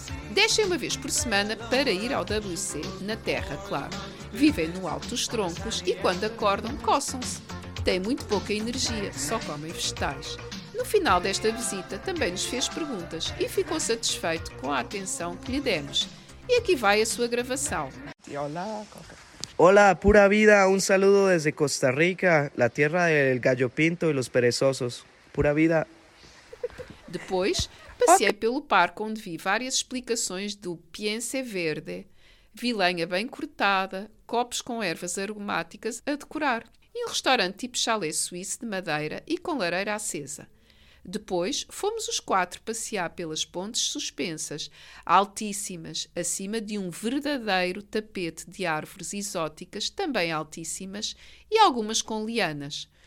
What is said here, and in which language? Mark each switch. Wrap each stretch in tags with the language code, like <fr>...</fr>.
<pt>Descem uma vez por semana para ir ao WC, na terra, claro. Vivem no alto dos troncos e quando acordam, coçam-se. Têm muito pouca energia, só comem vegetais. No final desta visita, também nos fez perguntas e ficou satisfeito com a atenção que lhe demos. E aqui vai a sua gravação.</pt> <es>Hola, pura vida, un saludo desde Costa Rica, la tierra del gallo pinto y los perezosos. Pura vida.</es> <pt>Depois, passei pelo parque onde vi várias explicações do piense verde, vi lenha bem cortada, copos com ervas aromáticas a decorar e um restaurante tipo chalé suíço de madeira e com lareira acesa. Depois, fomos os quatro passear pelas pontes suspensas, altíssimas, acima de um verdadeiro tapete de árvores exóticas, também altíssimas, e algumas com lianas.</pt>